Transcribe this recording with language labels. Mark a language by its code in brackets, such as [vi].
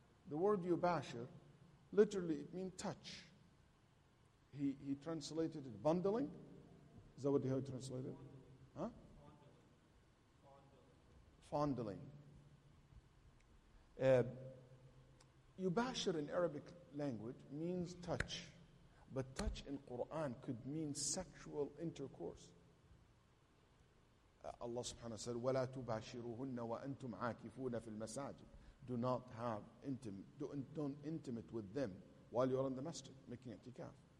[en] The word yubashir, literally it means touch. He translated it bundling. Is that what he translated? Huh? Fondling. Yubashir in Arabic language means touch. But touch in Quran could mean sexual intercourse. [ar] Allah subhanahu wa ta'ala said, وَلَا تُبَاشِرُهُنَّ وَأَنْتُمْ عَاكِفُونَ فِي الْمَسَاجِدِ. [en] Do not have intimate, don't intimate with them while you're in the masjid, making itikaf.